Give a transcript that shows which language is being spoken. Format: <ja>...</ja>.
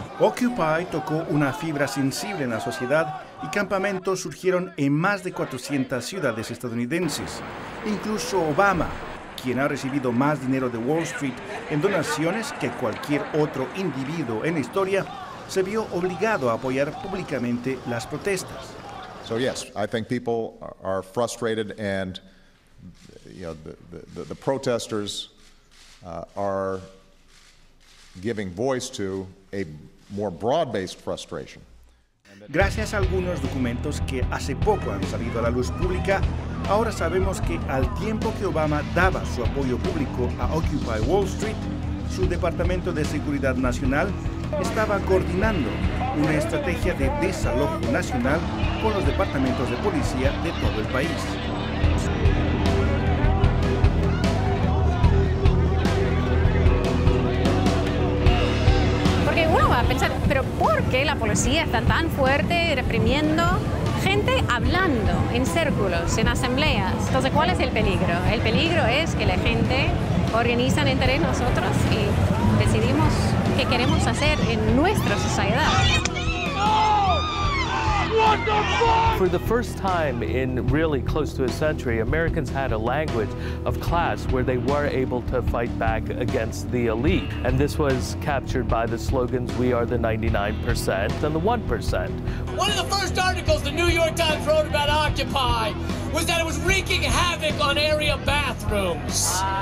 <es>Occupy tocó una fibra sensible en la sociedad y campamentos surgieron en más de 400 ciudades estadounidenses. Incluso Obama, quien ha recibido más dinero de Wall Street en donaciones que cualquier otro individuo en la historia, se vio obligado a apoyar públicamente las protestas.</es> <en>So yes, I think people are frustrated and you know the protesters are giving voice to a more broad-based frustration.</en> <es>Gracias a algunos documentos que hace poco han salido a la luz pública, ahora sabemos que al tiempo que Obama daba su apoyo público a Occupy Wall Street, su Departamento de Seguridad Nacional estaba coordinando una estrategia de desalojo nacional con los departamentos de policía de todo el país. Porque uno va a pensar, ¿pero por qué la policía está tan fuerte reprimiendo gente hablando en círculos, en asambleas? Entonces, ¿cuál es el peligro? El peligro es que la gente organiza entre nosotros y decidimos qué queremos hacer en nuestra sociedad.</es> <en>For the first time in really close to a century, Americans had a language of class where they were able to fight back against the elite. And this was captured by the slogans, we are the 99% and the 1%. One of the first articles the New York Times wrote about Occupy was that it was wreaking havoc on area bathrooms.</en>